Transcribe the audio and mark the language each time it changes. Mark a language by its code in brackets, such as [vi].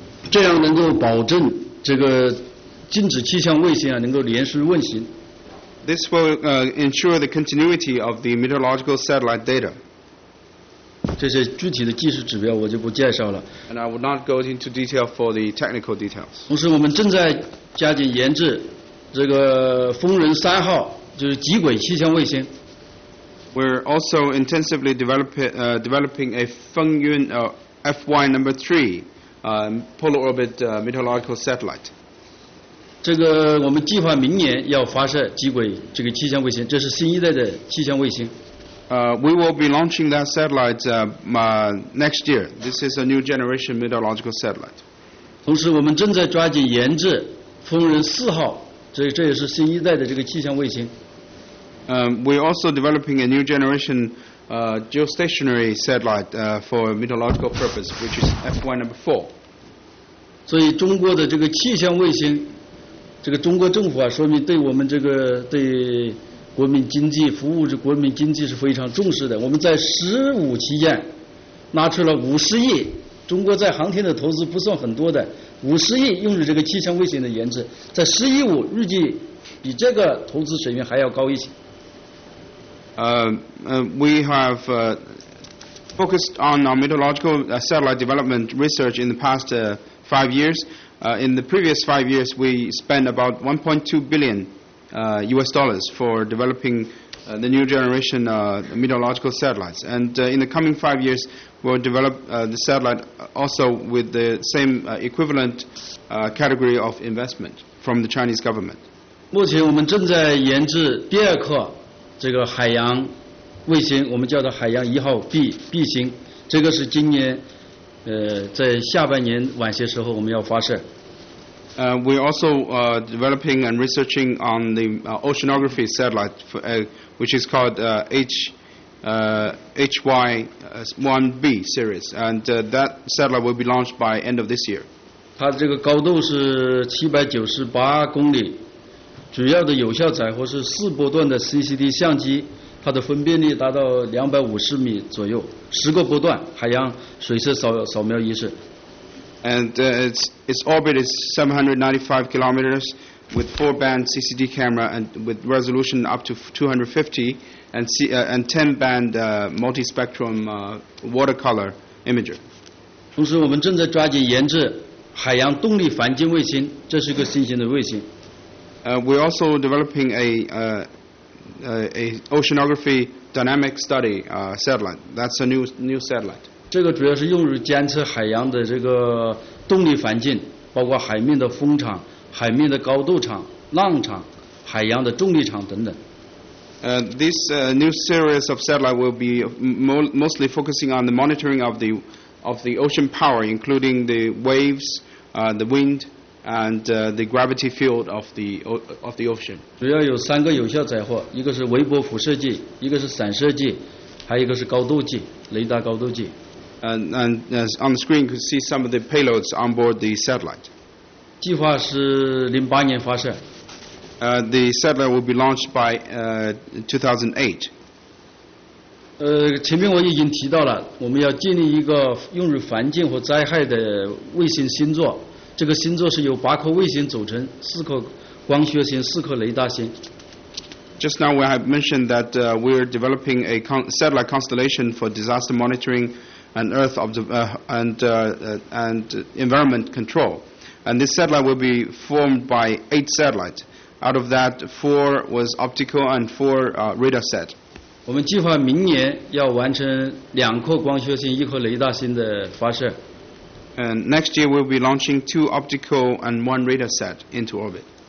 [zh] 这样能够保证这个禁止气象卫星啊能够连续运行。 [en] This will ensure the continuity of the meteorological satellite data. [zh] 这些具体的技术指标我就不介绍了。 [en] And I will not go into detail for the technical details. [zh] 同时，我们正在加紧研制这个风人三号，就是极轨气象卫星。 [en] We're also intensively developing a Feng Yun FY number 3 polar orbit meteorological satellite. [zh] 这个我们计划明年要发射极轨这个气象卫星，这是新一代的气象卫星。 [en] We will be launching that satellite next year. This is a new generation meteorological satellite. [zh] 同时，我们正在抓紧研制风人四号，这也是新一代的这个气象卫星。 [en] We're also developing a new generation geostationary satellite for meteorological purpose, which is FY number 4. [zh] 所以中国的这个气象卫星，这个中国政府啊，说明对我们这个对国民经济服务的国民经济是非常重视的。我们在十五期间拿出了50亿，中国在航天的投资不算很多的，50亿用于这个气象卫星的研制，在十一五预计比这个投资水平还要高一些。 [en] We have focused on our meteorological satellite development research in the past 5 years. In the previous 5 years, we spent about $1.2 billion US dollars for developing the new generation meteorological satellites. And in the coming 5 years, we'll develop the satellite also with the same equivalent category of investment from the Chinese government. [zh] 目前我们正在研制第二颗这个海洋卫星，我们叫做海洋一号 B 星，这个是今年在下半年晚些时候我们要发射。 [en] We're also developing and researching on the oceanography satellite, which is called HY1B series, and that satellite will be launched by end of this year. [zh] 它这个高度是798公里。主要的有效载荷是四波段的 CCD 相机，它的分辨率达到250米左右，十个波段海洋水色扫描仪式。 [en] And its orbit is 795 kilometers with four band CCD camera and with resolution up to 250 and 10 band multi-spectrum watercolor imager. [zh] 同时，我们正在抓紧研制海洋动力环境卫星，这是一个新型的卫星。 [en] We're also developing a oceanography dynamic study satellite. That's a new satellite. [zh] 这个主要是用于监测海洋的这个动力环境，包括海面的风场、海面的高度场、浪场、海洋的重力场等等。 [en] This new series of satellite will be mostly focusing on the monitoring of the ocean power, including the waves, the wind. And the gravity field of the ocean. [zh] 主要有三个有效载荷，一个是微波辐射剂，一个是散射剂，还有一个是高度计，雷达高度计。 [en] And on the screen, you can see some of the payloads on board the satellite. [zh] 计划是2008年发射。 [en] The satellite will be launched by 2008. [zh] 前面我已经提到了，我们要建立一个用于环境和灾害的卫星星座。这个星座是由八颗卫星组成，四颗光学星，四颗雷达星。 [en] Just now we have mentioned that we're developing a satellite constellation for disaster monitoring and earth and environment control. And this satellite will be formed by 8 satellites. Out of that, 4 was optical and 4 radar set. [zh] 我们计划明年要完成两颗光学星，一颗雷达星的发射。 [en] And next year we'll be launching 2 optical and 1 radar set into orbit.